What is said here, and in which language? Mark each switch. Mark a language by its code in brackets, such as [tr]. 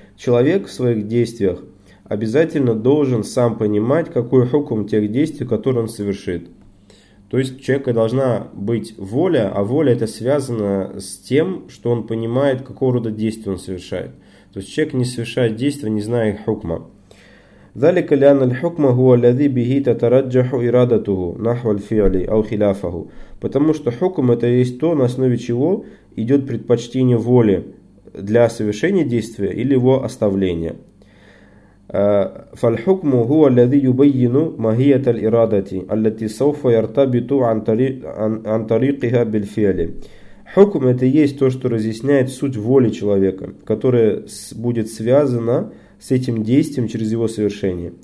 [ru] Человек в своих действиях обязательно должен сам понимать, какой хукм тех действий, которые он совершит. То есть у человека должна быть воля, а воля это связано с тем, что он понимает, какого рода действия он совершает. То есть человек не совершает действия, не зная хукма. [ar] ذلك لأن الحكم هو الذي به تترجح إرادته نحو الفعل أو خلافه. [ru] Потому что хукм это есть то, на основе чего идет предпочтение воли для совершения действия или его оставления. [ar] فالحكم هو الذي يبين ماهية الإرادة التي سوف يرتبط عن طريقها بالفعل. [ru] Хукм это есть то, что разъясняет суть воли человека, которая будет связана с этим действием через его совершение.